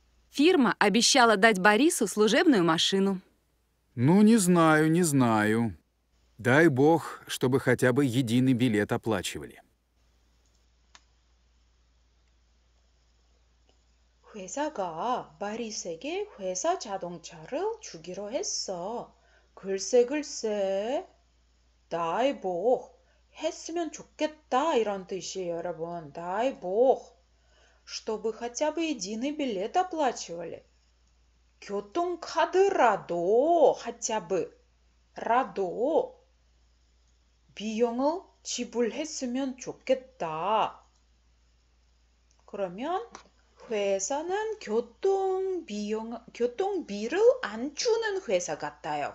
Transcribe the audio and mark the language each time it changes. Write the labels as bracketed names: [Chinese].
[Russian] Фирма обещала дать Борису служебную машину. Ну, не знаю, не знаю. Дай бог, чтобы хотя бы единый билет оплачивали. [Korean] 회사가 마리스에게 회사 자동차를 주기로 했어. 글쎄, 글쎄. 나이보. 했으면 좋겠다. 이런 뜻이에요, 여러분. 나이보. [Russian] Чтобы хотя бы единый билет оплачивали. [Korean] 교통카드라도, [Russian] хотя бы, [Korean] 라도, 비용을 지불했으면 좋겠다. 그러면, 회사는 교통비를 안 주는 회사 같아요.